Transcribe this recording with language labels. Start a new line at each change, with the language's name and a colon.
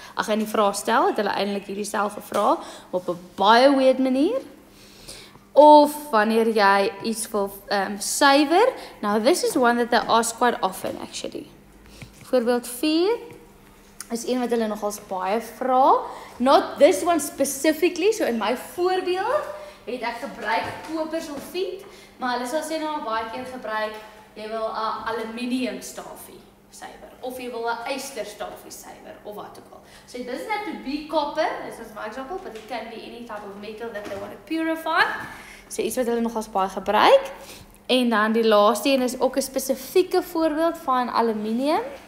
Afrikaans: Ag, in die vraestel het hulle eintlik hierdie cell gevra op 'n baie weird manier. Of wanneer jy iets wil suiwer.
English: Now this is one that they ask quite often actually.
Afrikaans: Voorbeeld 4 is een wat hulle nogals baie vra.
English: Not this one specifically, so in my
Afrikaans: voorbeeld het ek gebruik koper sulfiet. Maar hulle sal sê nou baie keer gebruik, jy wil 'n aluminium staafie suiwer of jy wil 'n yster staafie suiwer of wat ook al.
English: So this is not to be copper, this is my example, but it can be any type of metal that they want to purify.
Afrikaans: So iets wat hulle nogals baie gebruik. En dan die laaste een is ook 'n spesifieke voorbeeld van aluminium.